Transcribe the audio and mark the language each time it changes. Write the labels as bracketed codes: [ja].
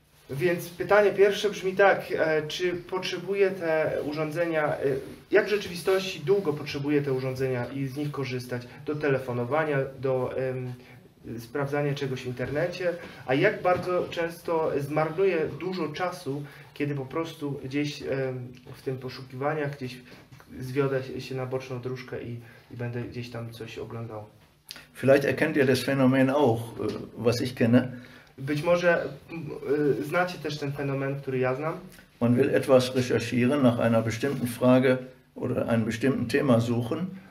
[pl] Więc pytanie pierwsze brzmi tak, czy potrzebuję te urządzenia, jak w rzeczywistości długo potrzebuję te urządzenia i z nich korzystać do telefonowania, do sprawdzania czegoś w internecie, a jak bardzo często zmarnuję dużo czasu, kiedy po prostu gdzieś w tym poszukiwaniach gdzieś zwiodę się na boczną dróżkę i będę gdzieś tam coś oglądał. [de] Vielleicht erkennt ihr das Phänomen auch, was ich kenne. [pl] Być może znacie też ten fenomen, który ja znam. [de] Man will etwas recherchieren nach einer bestimmten Frage oder einem bestimmten Thema suchen.